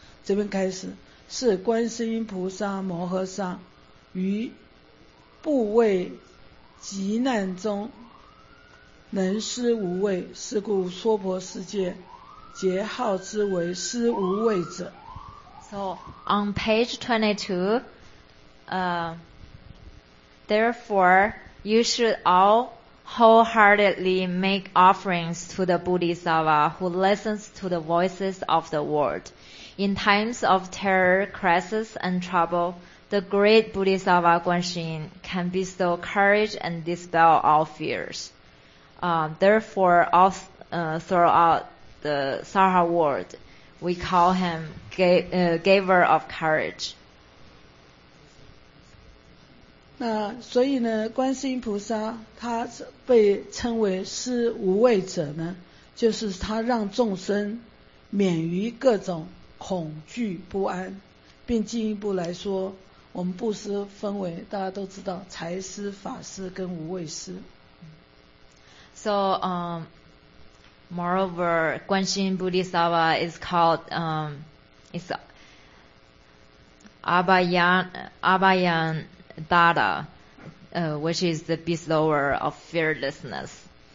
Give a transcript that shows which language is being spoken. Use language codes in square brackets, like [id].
[zh] 这边开始，是观世音菩萨摩诃萨于不畏极难中能施无畏，是故娑婆世界皆号之为施无畏者。 [en] So on page 22,therefore, you should all wholeheartedly make offerings to the Bodhisattva who listens to the voices of the world. In times of terror, crisis, and trouble, the great Bodhisattva Guanxin can bestow courage and dispel all fears. Therefore, all throughout the Sarha world, we call him giver of courage. [zh] 那所以呢，观世音菩萨他被称为是无畏者呢，就是他让众生免于各种恐惧不安，并进一步来说，我们布施分为大家都知道财施、法施跟无畏施。 [en] So, moreover, 观世音菩提萨瓦 is called is Abhayan Dada, which is the bestower of fearlessness.